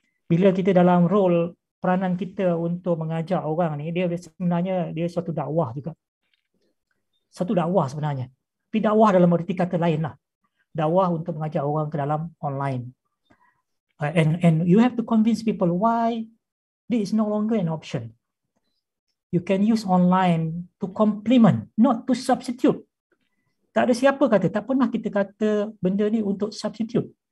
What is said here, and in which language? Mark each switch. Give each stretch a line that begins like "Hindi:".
Malay: Bila kita dalam role, peranan kita untuk mengajar orang ni, dia sebenarnya dia suatu dakwah juga. Satu dakwah sebenarnya. Tapi dakwah dalam erti kata lain lah. Dakwah untuk mengajar orang ke dalam online.
English: And you have to convince people why this is no longer an option. You can use online to complement, not to substitute.
Malay: Tak ada siapa kata, tak pernah kita kata benda ni untuk substitute.